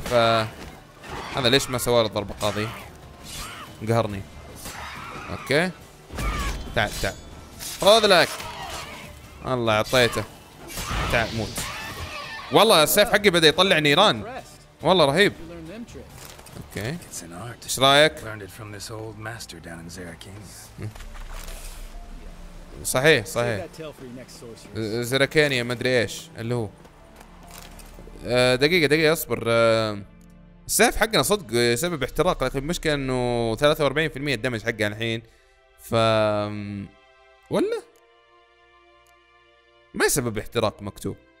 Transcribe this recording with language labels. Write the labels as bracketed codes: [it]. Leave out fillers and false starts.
[ar] ف هذا ليش ما سوى الضربه قاضي؟ قهرني. اوكي تعال تعال خذ لك. الله عطيته. تعال موت. والله السيف حقي بدا يطلع نيران والله رهيب. [en] Okay. It's an art. [ar] ايش رايك؟ [en] learned it from this old master down in [ar] Zerakania. صحيح صحيح. زيراكانيا ما ادري ايش اللي هو. دقيقه دقيقه اصبر. السيف حقنا صدق سبب احتراق، لكن المشكله انه 43% الدمج حقه الحين. ف ولا ما سبب احتراق مكتوب.